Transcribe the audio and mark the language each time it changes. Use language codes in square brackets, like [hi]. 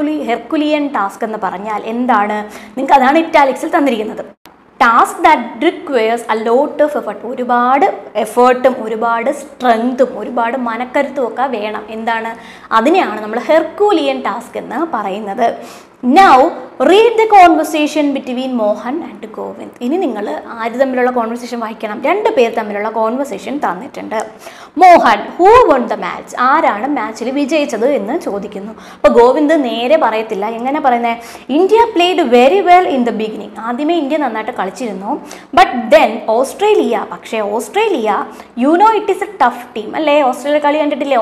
[ml] Herculean task എന്ന് പറഞ്ഞാൽ എന്താണ്? നിങ്ങൾക്ക് അതാണ് ഇറ്റാലിക്സിൽ തന്നിരിക്കുന്നത്. [en] Task that requires a lot of effort. [ml] ഒരുപാട് എഫേർട്ടും ഒരുപാട് സ്ട്രെങ്തും ഒരുപാട് മനക്കരുത്തും ഒക്കെ വേണം. എന്താണ്? അതിനെയാണ് നമ്മൾ ഹെർക്കുലിയൻ ടാസ്ക് എന്ന് പറയുന്നത്. [en] Now, read the conversation between Mohan and Govind. [ml] ഇനി നിങ്ങൾ ആര് തമ്മിലുള്ള കോൺവെർസേഷൻ വായിക്കണം. രണ്ട് പേർ തമ്മിലുള്ള കോൺവെർസേഷൻ തന്നിട്ടുണ്ട്. Mohan, [en] Who won the match? [ml] ആരാണ് മാച്ചിൽ വിജയിച്ചത് എന്ന് ചോദിക്കുന്നു. അപ്പോൾ ഗോവിന്ദ് നേരെ പറയത്തില്ല. എങ്ങനെ പറയുന്നത്? [en] India played very well in the beginning. [ml] ആദ്യമേ ഇന്ത്യ നന്നായിട്ട് കളിച്ചിരുന്നു. [en] but then Australia, [ml] പക്ഷേ Australia, [en] you know it is a tough team [ml] അല്ലേ? ഓസ്ട്രേലിയ കളി കണ്ടിട്ടില്ലേ?